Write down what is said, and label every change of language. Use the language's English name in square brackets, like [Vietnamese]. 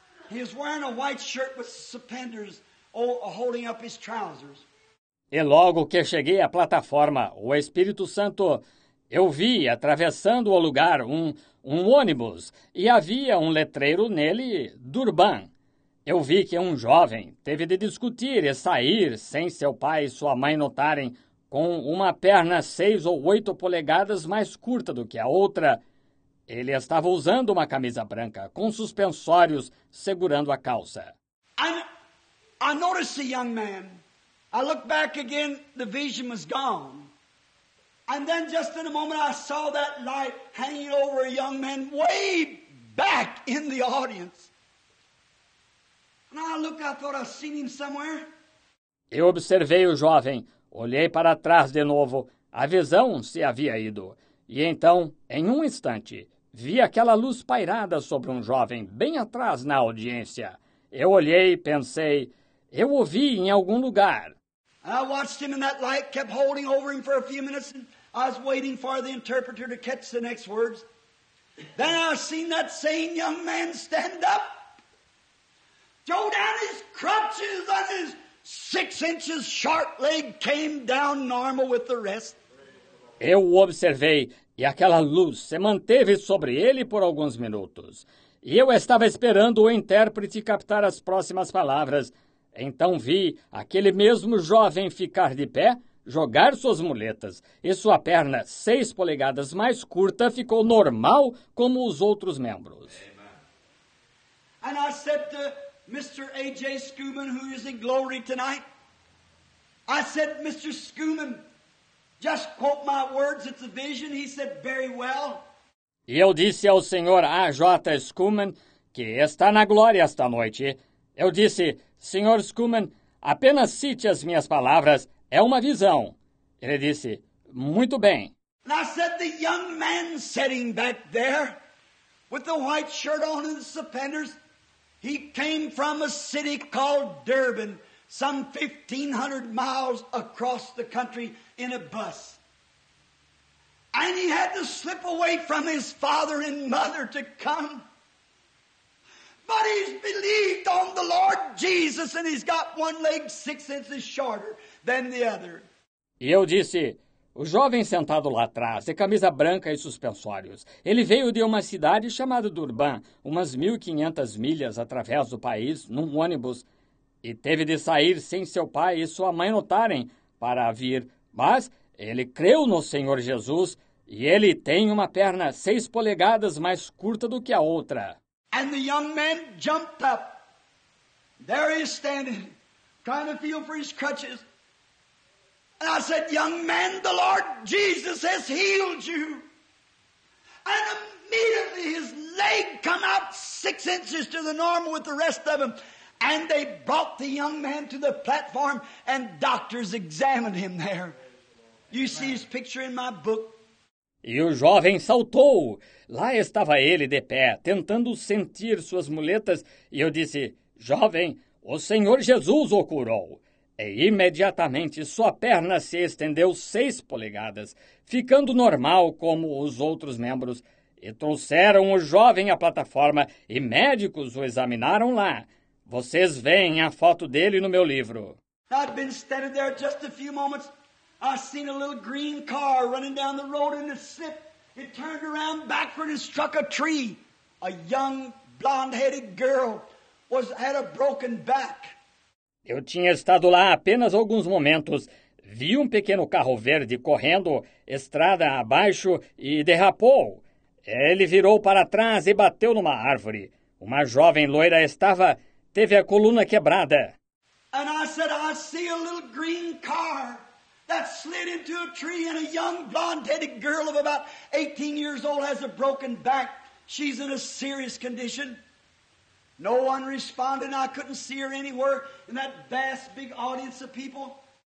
[English] He was wearing a white shirt with suspenders holding up his trousers. [Portuguese] E logo que cheguei à plataforma, o Espírito Santo, eu vi atravessando o lugar um ônibus e havia um letreiro nele, Durban. Eu vi que um jovem teve de discutir e sair sem seu pai e sua mãe notarem, com uma perna 6 ou 8 polegadas mais curta do que a outra. Ele estava usando uma camisa branca, com suspensórios, segurando a calça. [English] I noticed a young man. I looked back again, the vision was gone. And then just in a moment I saw that light hanging over a young man way back in the audience. And I looked, I thought I'd seen him somewhere. [Portuguese] Eu observei o jovem, olhei para trás de novo, a visão se havia ido. E então, em um instante, vi aquela luz pairada sobre um jovem bem atrás na audiência. Eu olhei e pensei, eu o vi em algum lugar. [English] I watched him in that light, kept holding over him for a few minutes, and I was waiting for the interpreter to catch the next words. Then I seen that same young man stand up, throw down his crutches, and his 6 inches short leg came down normal with the rest. [Portuguese] Eu o observei, e aquela luz se manteve sobre ele por alguns minutos. E eu estava esperando o intérprete captar as próximas palavras. Então vi aquele mesmo jovem ficar de pé, jogar suas muletas, e sua perna 6 polegadas mais curta ficou normal como os outros membros. [English] Amen. And I said to Mr. A.J. Schuman, who is in glory tonight, I said, "Mr. Schuman, just quote my words, it's a vision." He said, "Very well." [Portuguese] E eu disse ao Senhor A.J. Schuman, que está na glória esta noite, eu disse, "Senhor Schuman, apenas cite as minhas palavras, é uma visão." Ele disse, "Muito bem." [English] And I said, "The young man sitting back there with the white shirt on and the suspenders, he came from a city called Durban, some 1,500 miles across the country in a bus. And he had to slip away from his father and mother to come But he's believed on the Lord Jesus and he's got one leg 6 inches shorter than the other. [Portuguese] E eu disse, o jovem sentado lá atrás, de camisa branca e suspensórios, ele veio de uma cidade chamada Durban, umas 1.500 milhas através do país, num ônibus, e teve de sair sem seu pai e sua mãe notarem para vir. Mas ele creu no Senhor Jesus e ele tem uma perna 6 polegadas mais curta do que a outra. [English] And the young man jumped up. There he is standing, trying to feel for his crutches. And I said, young man, the Lord Jesus has healed you. And immediately his leg come out 6 inches to the normal with the rest of him. And they brought the young man to the platform and doctors examined him there. You see his picture in my book. [Portuguese] E o jovem saltou. Lá estava ele de pé, tentando sentir suas muletas. E eu disse, jovem, o Senhor Jesus o curou. E imediatamente sua perna se estendeu 6 polegadas, ficando normal como os outros membros. E trouxeram o jovem à plataforma e médicos o examinaram lá. Vocês veem a foto dele no meu livro. [English] I've been standing there just a few moments. I seen a little green car running down the road and it slipped. It turned around backward and struck a tree. A young blonde-headed girl had a broken back. [Portuguese] Eu tinha estado lá apenas alguns momentos. Vi um pequeno carro verde correndo, estrada abaixo, e derrapou. Ele virou para trás e bateu numa árvore. Uma jovem loira teve a coluna quebrada. [English] And I said, I see a little green car that slid into a tree and a young blonde-headed girl of about 18 years old has a broken back. She's in a serious condition. No one responded. I couldn't see her anywhere in that vast big audience of people.